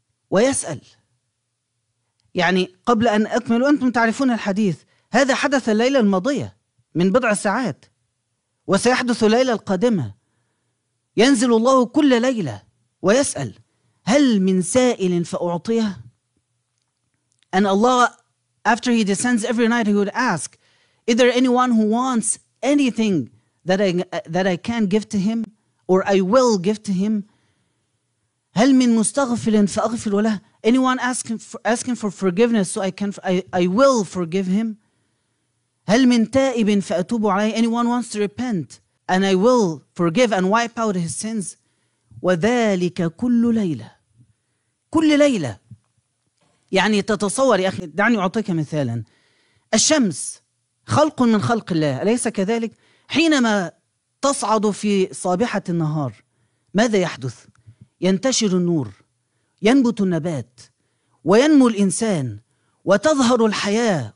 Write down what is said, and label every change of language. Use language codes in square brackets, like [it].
[ar] ويسأل، يعني قبل أن أكمل، وأنتم تعرفون الحديث، هذا حدث الليلة الماضية من بضع ساعات، وسيحدث الليلة القادمة. ينزل الله كل ليلة ويسأل هل من سائل فأعطيه. أن الله [en] after he descends every night, he would ask, is there anyone who wants anything that I can give to him or I will give to him. [ar] هل من مستغفر فأغفر له. [en] Anyone asking for forgiveness so I will forgive him. [ar] هل من تائب فأتوب عليه. [en] Anyone wants to repent and I will forgive and wipe out his sins. [ar] وذلك كل ليلة. كل ليلة. يعني تتصور يا أخي، دعني أعطيك مثالا. الشمس خلق من خلق الله، أليس كذلك؟ حينما تصعد في صابحة النهار ماذا يحدث؟ ينتشر النور، ينبت النبات، وينمو الإنسان، وتظهر الحياة.